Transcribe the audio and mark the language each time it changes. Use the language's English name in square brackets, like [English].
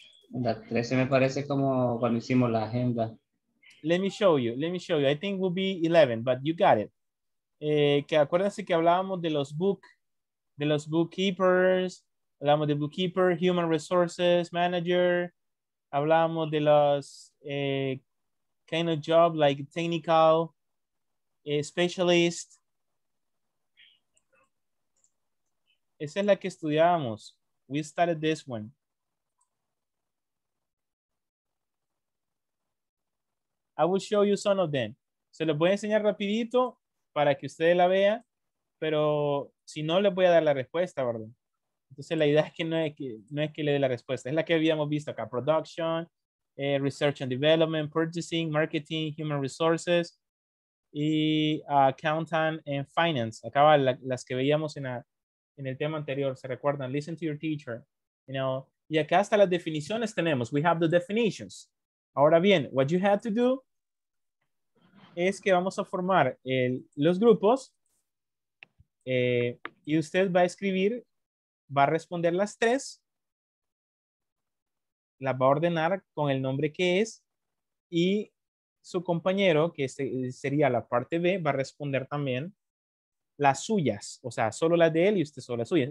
[Spanish] La 13 me parece como cuando hicimos la agenda. [English] Let me show you. I think it will be 11, but you got it. [Spanish] que acuérdense que hablábamos de los book, de los bookkeepers, hablamos de bookkeeper, human resources manager, hablamos de los [English] kind of job like technical specialist. [Spanish] Esa es la que estudiábamos. [English] We started this one. I will show you some of them. [Spanish] Se los voy a enseñar rapidito para que ustedes la vean, pero si no, les voy a dar la respuesta, ¿verdad? Entonces, la idea es que no es que le dé la respuesta. Es la que habíamos visto acá. [English] Production, research and development, purchasing, marketing, human resources, y accountant and finance. [Spanish] Acaba las que veíamos en el tema anterior. ¿Se recuerdan? [English] Listen to your teacher. You know? [Spanish] Y acá hasta las definiciones tenemos. [English] We have the definitions. [Spanish] Ahora bien, [English] what you have to do [Spanish] es que vamos a formar los grupos y usted va a escribir, va a responder las tres, las va a ordenar con el nombre que es y su compañero, que sería la parte B, va a responder también las suyas, o sea, solo las de él y usted solo las suyas.